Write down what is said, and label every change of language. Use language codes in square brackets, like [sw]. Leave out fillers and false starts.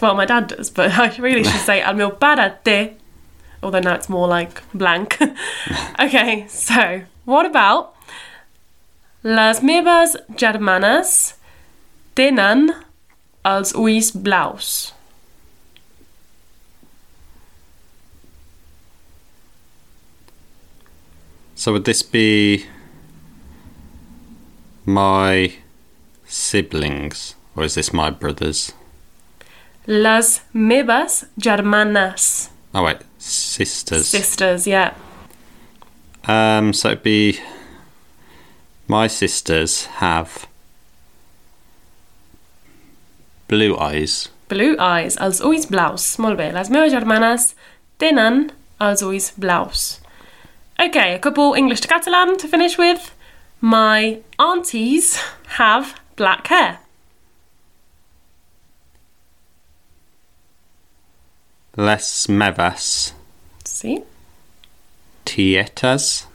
[en] Well, my dad does, but I really should say, [ca] al meu pare té. [en] Although now it's more like blank. Okay, so... What about [ca] las meves germanes tenen els ulls blaus? [en] So would this be my siblings or is this my brothers? [ca] Las meves germanes. [en] Oh wait, sisters. Sisters, yeah. So it'd be my sisters have blue eyes. Blue eyes, [ca] els ulls blaus. Molt bé. Les meves germanes tenen els ulls blaus. [en] Okay, a couple English to Catalan to finish with. My aunties have black hair. [ca] Les meves. Sí. Tietas.